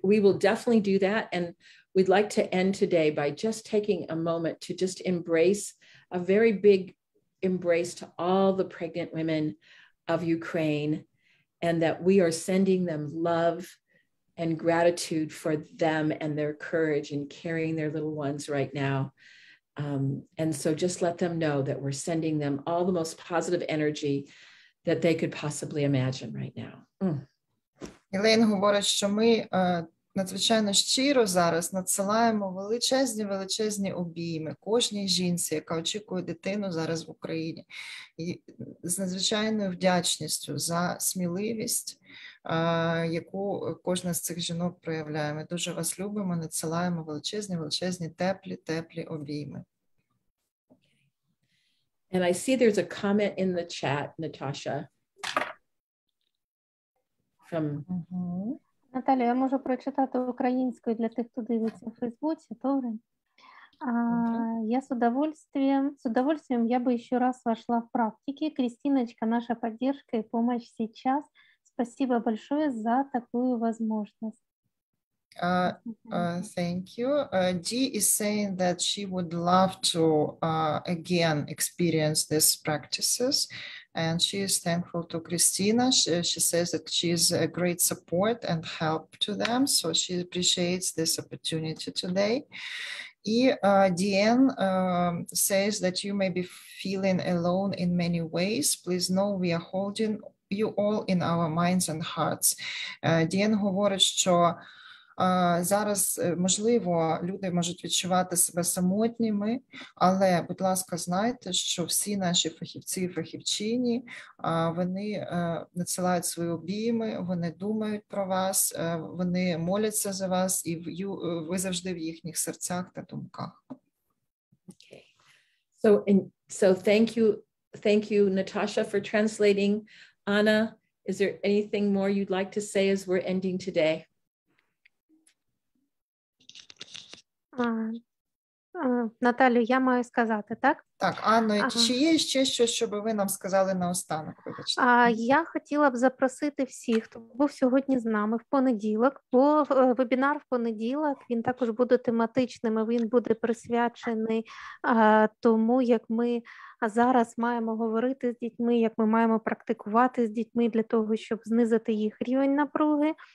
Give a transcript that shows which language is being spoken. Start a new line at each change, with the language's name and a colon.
English: We will definitely do that. And we'd like to end today by just taking a moment to just embrace a very big embrace to all the pregnant women of Ukraine, and that we are sending them love and gratitude for them and their courage in carrying their little ones right now. And so just let them know that we're sending them all the most positive energy that they could possibly imagine right now.
Ukrainian: Елен говорить, що ми надзвичайно щиро зараз надсилаємо величезні-величезні обійми кожній жінці, яка очікує дитину зараз в Україні. І з надзвичайною вдячністю за сміливість, яку кожна з цих жінок проявляє. Ми дуже вас любимо, надсилаємо величезні-величезні теплі-теплі обійми.
English: And I see there's a comment in the chat, Natasha. From...
Ukrainian: Наталя, я можу прочитати українською для тих, хто дивиться в Фейсбуці. Добре. Я з
Russian: удовольствием
Ukrainian: я би ще раз вошла в практики. Крістіночка, наша підтримка і допомога зараз.
Russian: Спасибо большое за такую возможность.
English: Thank you. Dee is saying that she would love to again experience these practices. And she is thankful to Christina. She says that she is a great support and help to them. So she appreciates this opportunity today. И Диан says that you may be feeling alone in many ways. Please know we are holding you all in our minds and hearts.
Ukrainian: Диан говорить, що зараз, можливо, люди можуть відчувати себе самотніми, але, будь ласка, знайте, що всі наші фахівці і фахівчині, вони надсилають свої обійми, вони думають про вас, вони моляться за вас, і ви завжди в їхніх серцях та думках.
English: Okay. So thank you, Natasha, for translating. Anna, is there anything more you'd like to say as we're ending today?
Ukrainian: Наталю, я маю сказати, так? Так, Анно, чи є ще щось, щоб ви нам сказали наостанок? Вибачте. Я хотіла б запросити всіх, хто був сьогодні з нами в понеділок, бо вебінар в понеділок, він також буде тематичним, і він буде присвячений тому, як ми зараз маємо говорити з дітьми, як ми маємо практикувати з дітьми для того, щоб знизити їх рівень напруги.